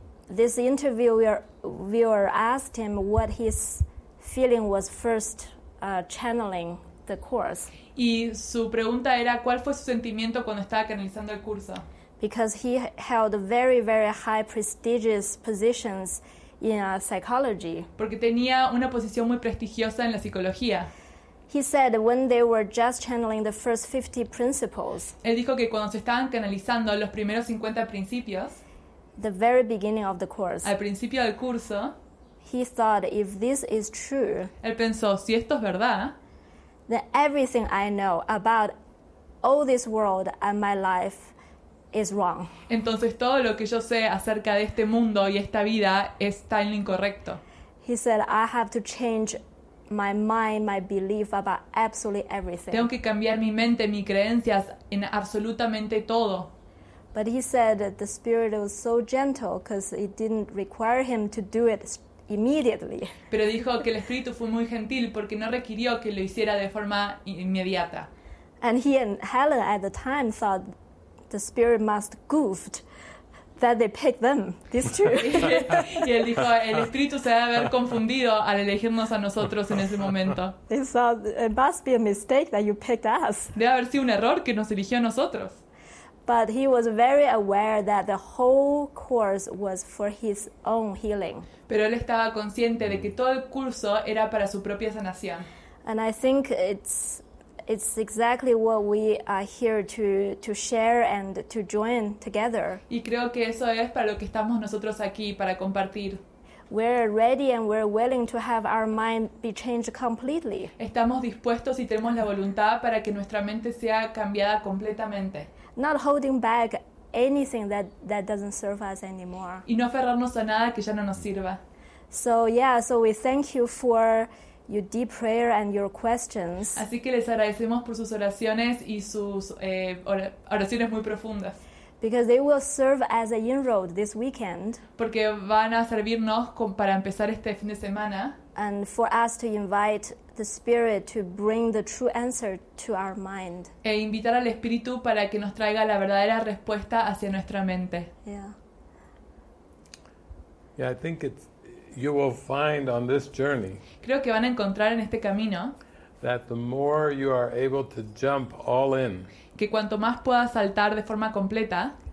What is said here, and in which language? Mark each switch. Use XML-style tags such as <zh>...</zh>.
<en>This interviewer asked him what his feeling was first channeling the course.</en> <es>Y su pregunta era cuál fue su sentimiento cuando estaba canalizando el curso.</es> <en>Because he held very very high prestigious positions in psychology.</en> <es>Porque tenía una posición muy prestigiosa en la psicología.</es> <en>He said when they were just channeling the first 50 principles.</en> <es>Él dijo que cuando se estaban canalizando los primeros 50 principios,</es> <en>the very beginning of the course.</en> <es>Al principio del curso,</es> <en>he thought if this is true.</en> <es>Él pensó, si esto es verdad,</es> <en>then everything I know about all this world and my life is wrong.</en> <es>Entonces todo lo que yo sé acerca de este mundo y esta vida es tan incorrecto.</es> <en>He said, I have to change my mind, my belief about absolutely everything.</en> <es>Tengo que cambiar mi mente, mis creencias en absolutamente todo.</es> <en>But he said that the spirit was so gentle because it didn't require him to do it immediately.</en> <es>Pero dijo que el espíritu fue muy gentil porque no requirió que lo hiciera de forma inmediata.</es> <en>And he and Helen at the time thought the spirit must goofed that they picked them, these two.</en> <es>Y él dijo, el espíritu se debe haber confundido al elegirnos a nosotros en ese momento.</es> <en>He thought, it must be a mistake that you picked us.</en> <es>Debe haber sido un error que nos eligió a nosotros.</es> <en>But he was very aware that the whole course was for his own healing.</en> <es>Pero él estaba consciente de que todo el curso era para su propia sanación.</es> <en>And I think it's exactly what we are here to share and to join together.</en> <es>Y creo que eso es para lo que estamos nosotros aquí, para compartir.</es> <en>We're ready and we're willing to have our mind be changed completely.</en> <es>Estamos dispuestos y tenemos la voluntad para que nuestra mente sea cambiada completamente.</es> <en>Not holding back anything that doesn't serve us anymore.</en> <es>Y no aferrarnos a nada que ya no nos sirva.</es> <en>So yeah, so we thank you for your deep prayer and your questions.</en> <es>Así que les agradecemos por sus oraciones y sus oraciones muy profundas.</es> <en>Because they will serve as an inroad this weekend.</en> <es>Porque van a servirnos para empezar este fin de semana.</es> <en>And for us to invite the spirit to bring the true answer to our mind.</en> <es>E invitar al espíritu para que nos traiga la verdadera respuesta hacia nuestra mente.</es> <en>Yeah, I think it's you will find on this journey.</en> <es>Creo que van a encontrar en este camino</es> <en>that the more you are able to jump all in.</en> <es>Que cuanto más puedas saltar de forma completa</es>